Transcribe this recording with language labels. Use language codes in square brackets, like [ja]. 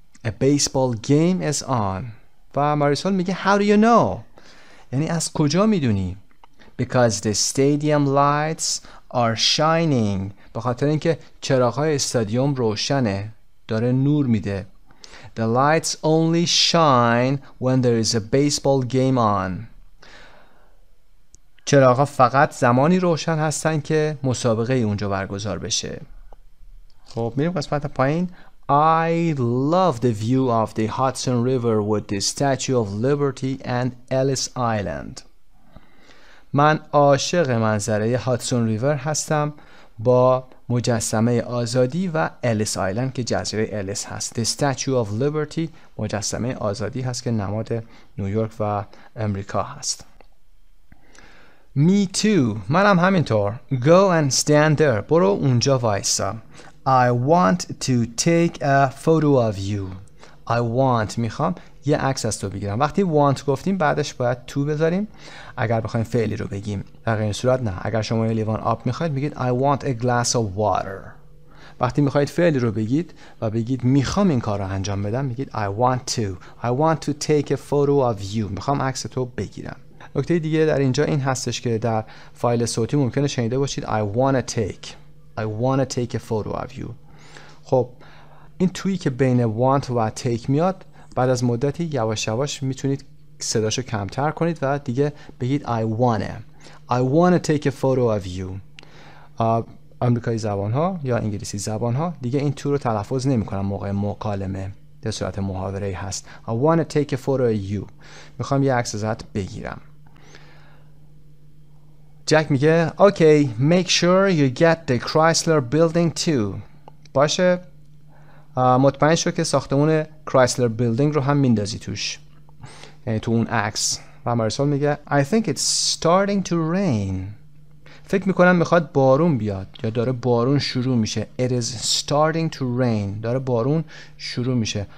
[en] A baseball game is on. [fa] و ماریسول میگه [en] How do you know? [fa] یعنی از کجا میدونی؟ [en] Because the stadium lights are shining. [fa] به خاطر اینکه چراغ‌های استادیوم روشنه، داره نور میده. [en] The lights only shine when there is a baseball game on. [fa] چراغا فقط زمانی روشن هستن که مسابقه اونجا برگزار بشه. خب میریم قسمت پایین. [en] I love the view of the Hudson River with the Statue of Liberty and Ellis Island. [fa] من عاشق منظره هادسون ریور هستم با مجسمه آزادی و الیس آیلند که جزیره الیس هست. The Statue of Liberty مجسمه آزادی هست که نماد نیویورک و امریکا هست. [en] Me too. [fa] منم همینطور. [en] Go and stand there. [fa] برو اونجا وایسا. [en] I want to take a photo of you. I want. [fa] میخوام یه عکس از تو بگیرم. وقتی want گفتیم بعدش باید to بذاریم اگر بخوایم فعلی رو بگیم. در این صورت نه. اگر شما یه لیوان آب میخواید بگید [en] I want a glass of water. [fa] وقتی میخواید فعلی رو بگید و بگید میخوام این کار رو انجام بدم بگید [en] I want to. I want to take a photo of you. [fa] میخوام عکس تو بگیرم. نکته دیگه در اینجا این هستش که در فایل صوتی ممکنه شنیده باشید [en] I wanna take. I wanna take a photo of you. [fa] خب این توی که بین want و take میاد بعد از مدتی یواش یواش میتونید صداشو کمتر کنید و دیگه بگید [en] I wanna take a photo of you. [fa] آمریکایی زبان ها یا انگلیسی زبان ها دیگه این تو رو تلفظ نمی کنم موقع مکالمه، در صورت محاوره هست. [en] I wanna take a photo of you. [fa] میخوام یه عکس ازت بگیرم. جک میگه [en] Okay, make sure you get the Chrysler building too. [fa] باشه، مطمئن شو که ساختمون کرایسلر بیلدینگ رو هم میندازی توش، یعنی تو اون عکس. و مارسول میگه [en] I think it's starting to rain. [fa] فکر میکنم میخواد بارون بیاد یا داره بارون شروع میشه. [en] It is starting to rain. [fa] داره بارون شروع میشه.